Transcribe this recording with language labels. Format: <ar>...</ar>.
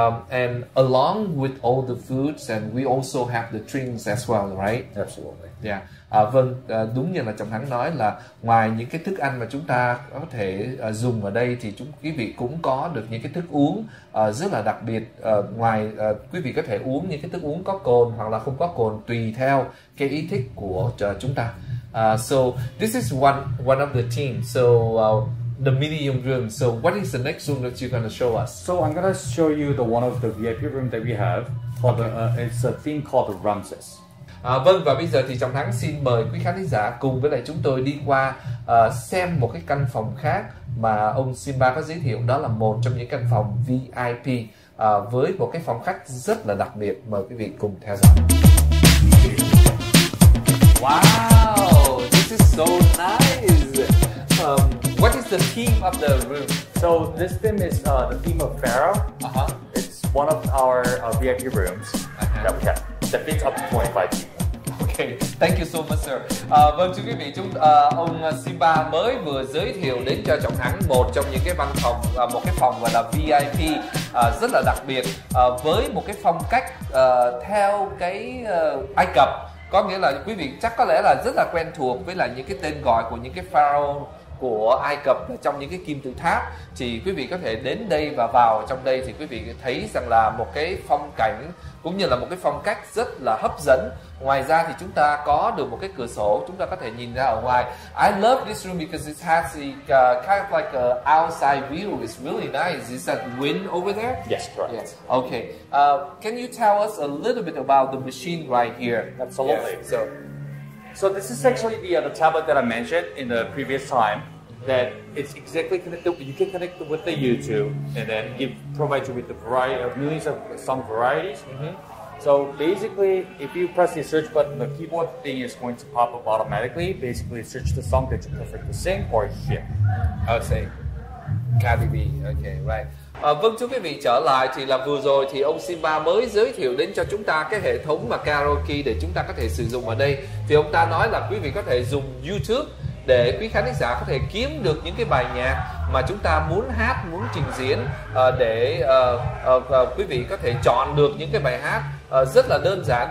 <en>And along with all the foods, and we also have the drinks as well, right? Absolutely. Yeah.</en> <vi>Vâng, đúng như là Trọng Thắng nói là ngoài những cái thức ăn mà chúng ta có thể dùng ở đây thì quý vị cũng có được những cái thức uống rất là đặc biệt. Quý vị có thể uống những cái thức uống có cồn hoặc là không có cồn tùy theo cái ý thích của chúng ta.</vi> <en>So this is one of the teams. So the medium room. So what is the next room that you're going to show us? So I'm going to show you the one of the VIP room that we have. It's a thing called the Ramses.</en> <vi>Vâng, và bây giờ thì Trọng Thắng xin mời quý khán giả cùng với lại chúng tôi đi qua xem một cái căn phòng khác mà ông Simba có giới thiệu. Đó là một trong những căn phòng VIP với một cái phòng khách rất là đặc biệt. Mời quý vị cùng theo dõi.</vi> <en>Wow, this is so nice. What is the theme of the room? So this theme is the theme of Pharaoh. Uh-huh. It's one of our VIP rooms that we have. That fits up to 25 people. Okay, thank you so much, sir.</en> <vi>Vâng, thưa quý vị, ông Simba mới vừa giới thiệu đến cho Trọng Thắng một trong những cái văn phòng, một cái phòng gọi là VIP rất là đặc biệt với một cái phong cách theo cái Ai Cập. Có nghĩa là quý vị chắc có lẽ là rất là quen thuộc với lại những cái tên gọi của những cái pharaoh của Ai Cập trong những cái kim tự tháp. Thì quý vị có thể đến đây và vào trong đây thì quý vị thấy rằng là một cái phong cảnh cũng như là một cái phong cách rất là hấp dẫn. Ngoài ra thì chúng ta có được một cái cửa sổ, chúng ta có thể nhìn ra ở ngoài.</vi> <en>I love this room because it has a kind of like a outside view. It's really nice. Is that wind over there? Yes, correct. Yes. Okay. Can you tell us a little bit about the machine right here? Absolutely. Yes. So this is actually the tablet that I mentioned in the previous time, that it's exactly connected. You can connect with the YouTube, and then it provides you with the variety of millions of song varieties. Mm-hmm. So basically, if you press the search button, the keyboard thing is going to pop up automatically. Basically, search the song that you prefer to sing or hear. I'll say Cardi B. Okay, right.</en> <vi>Vâng, thưa quý vị, trở lại thì là vừa rồi thì ông Simba mới giới thiệu đến cho chúng ta cái hệ thống mà karaoke để chúng ta có thể sử dụng ở đây. Thì ông ta nói là quý vị có thể dùng YouTube để quý khán giả có thể kiếm được những cái bài nhạc mà chúng ta muốn hát, muốn trình diễn để quý vị có thể chọn được những cái bài hát rất là đơn giản.</vi>